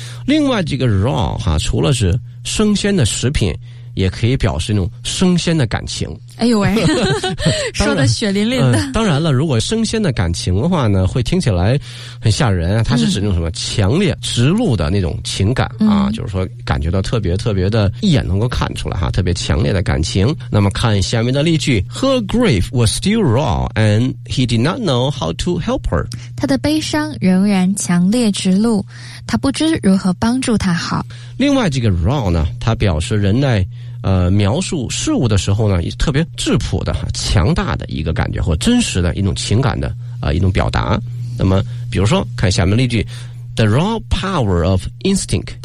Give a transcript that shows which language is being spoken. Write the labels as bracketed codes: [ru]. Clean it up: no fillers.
[zh] 另外，这个 raw 哈，除了是生鲜的食品，也可以表示那种生鲜的感情。哎呦喂，说的血淋淋的。当然了，如果生鲜的感情的话呢，会听起来很吓人啊。它是指那种什么强烈、直露的那种情感啊，就是说感觉到特别特别的，一眼能够看出来哈，特别强烈的感情。那么看下面的例句 [en] ：Her grief was still raw, and he did not know how to help her. [zh] 她的悲伤仍然强烈直露，他不知如何帮助她好。另外，这个 raw 呢，它表示人类。描述事物的时候呢，也特别质朴的、强大的一个感觉，或真实的一种情感的一种表达。那么，比如说，看下面例句 ： [en] The raw power of instinct，